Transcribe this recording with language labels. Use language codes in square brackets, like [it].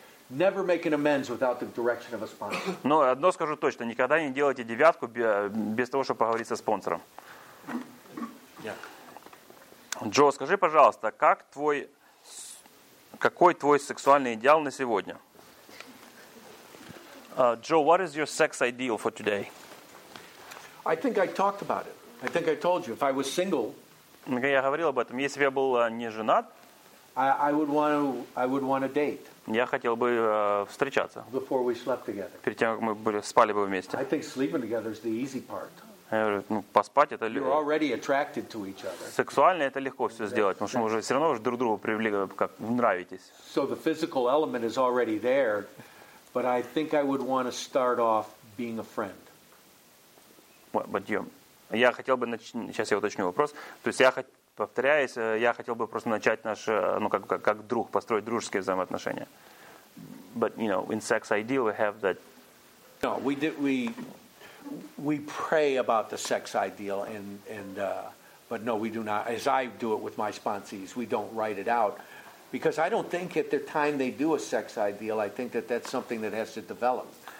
[en] Never make an amends without the direction of a sponsor. [ru] Но одно скажу точно, никогда не делайте девятку без того, чтобы поговорить со спонсором. [en] Yeah. [ru] Джо, скажи, пожалуйста, какой твой сексуальный идеал на сегодня? [en] Джо, what is your sex ideal for today? I think I talked about it. I think I told you. If I was single. [ru] Я говорил об этом. Если бы я был не женат. [en] I would want a date. [ru] Я хотел бы встречаться. [en] Before we slept together. [ru] Перед тем, как мы спали бы вместе. [en] I think sleeping together is the easy part. [ru] Я говорю, ну, поспать это легко. [en] You're already attracted to each other. [ru] Сексуально это легко все сделать, потому что мы уже все равно уже друг другу привлекли, как нравитесь. [en] So the physical element is already there, but I think I would want to start off being a friend. What, but you, [ru] я хотел бы сейчас я уточню вопрос. То есть повторяюсь, я хотел бы просто начать наш, ну как друг, построить дружеские взаимоотношения. [en] But you know, in sex ideal, we have that. No, we pray about the sex ideal, but no, we do not. As I do it with my sponsees, we don't write it out, because I don't think at the time they do a sex ideal, I think that's something that has to develop.